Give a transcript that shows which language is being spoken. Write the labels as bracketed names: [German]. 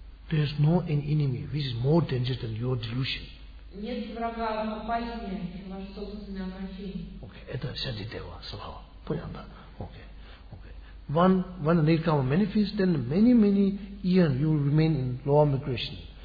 [English] There is no an enemy which is more dangerous than your delusion. [Russian] Нет врага опаснее, чем ваше собственное обращение. Okay, это Шадидева, Слава. Понял, да? [English] Okay. Okay. One, when the Nirkama manifests, then many, many years you will remain in lower migration.